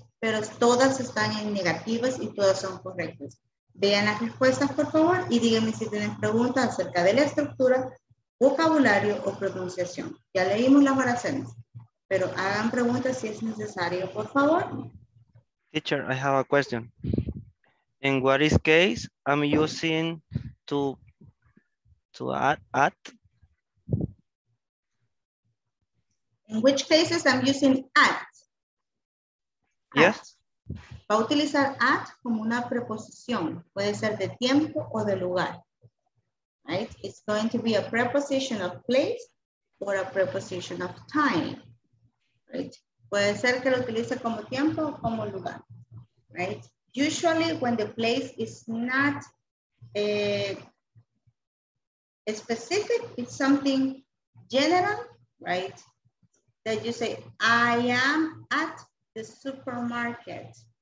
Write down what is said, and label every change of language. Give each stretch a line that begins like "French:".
Spanish: Pero todas están en negativas y todas son correctas. Vean las respuestas, por favor, y díganme si tienen preguntas acerca de la estructura, vocabulario o pronunciación. Ya leímos las oraciones, pero hagan preguntas si es necesario, por favor.
English: Teacher, I have a question. In what is case, I'm using to at? In which cases I'm using at? Yes.
Spanish: Va a utilizar at como una preposición. Puede ser de tiempo o de lugar. Right?
English: It's going to be a preposition of place or a preposition of time. Right?
Spanish: Puede ser que lo utilice como tiempo o como lugar.
English: Right? Usually when the place is not specific, it's something general, right? That you say, I am at the supermarket.